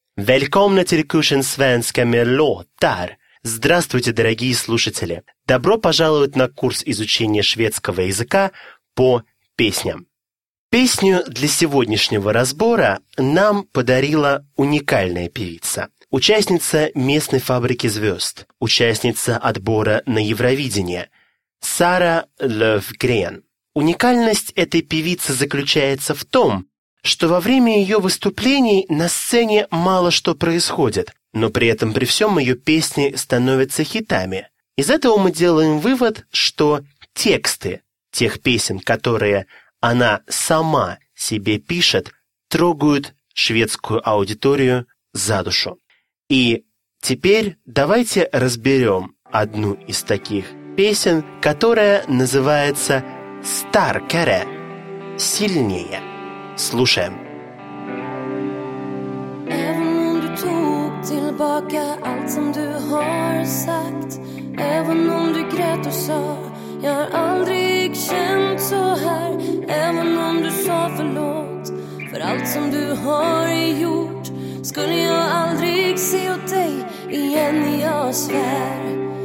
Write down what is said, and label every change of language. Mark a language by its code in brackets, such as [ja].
[sv] Välkomna till kursen svenska med låtar. [ru] Здравствуйте, дорогие слушатели. Добро пожаловать на курс изучения шведского языка по песням. Песню для сегодняшнего разбора нам подарила уникальная певица, участница местной фабрики звезд, участница отбора на Евровидение, Сара Лёфгрен. Уникальность этой певицы заключается в том, что во время ее выступлений на сцене мало что происходит, но при этом при всем ее песни становятся хитами. Из этого мы делаем вывод, что тексты тех песен, которые она сама себе пишет, трогают шведскую аудиторию за душу. И теперь давайте разберем одну из таких песен, которая называется «Старкере» – «Сильнее». Слушаем. [sv] Även om du tog tillbaka allt som du har sagt, även om du grät och sa, jag har aldrig känt så här, även om du sa förlåt för allt som du har gjort, skulle jag aldrig se åt dig igen, jag svär.